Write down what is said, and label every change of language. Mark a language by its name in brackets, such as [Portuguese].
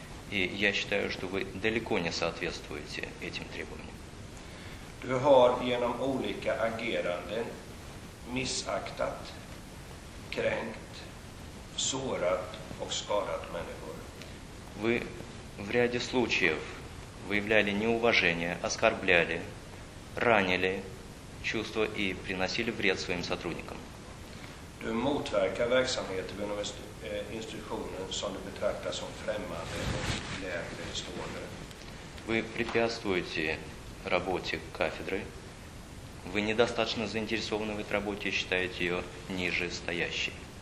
[Russian] я считаю, что вы далеко не соответствуете этим требованиям. [Swedish] Du har genom olika ageranden missaktat, kränkt, sårat och skadat människor. [Russian] Вы в ряде случаев выявляли неуважение, оскорбляли, ранили чувства и приносили вред своим сотрудникам. [Swedish] Du motverkar verksamheten vid institutionen som du betraktar som främmande och lägre stående. [Russian] Вы препятствуете работе кафедры. Вы недостаточно заинтересованы в этой работе и считаете ее ниже стоящей.